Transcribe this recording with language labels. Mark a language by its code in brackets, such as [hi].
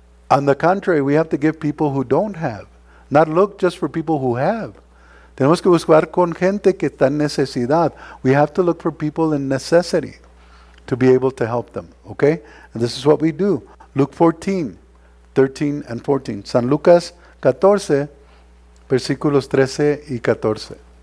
[en] On the contrary, we have to give people who don't have. Not look just for people who have. [es] Tenemos que buscar con gente que está en necesidad. [en] We have to look for people in necessity to be able to help them. Okay? And this is what we do. Luke 14, 13 and 14. [es] San Lucas 14, versículos 13 y 14.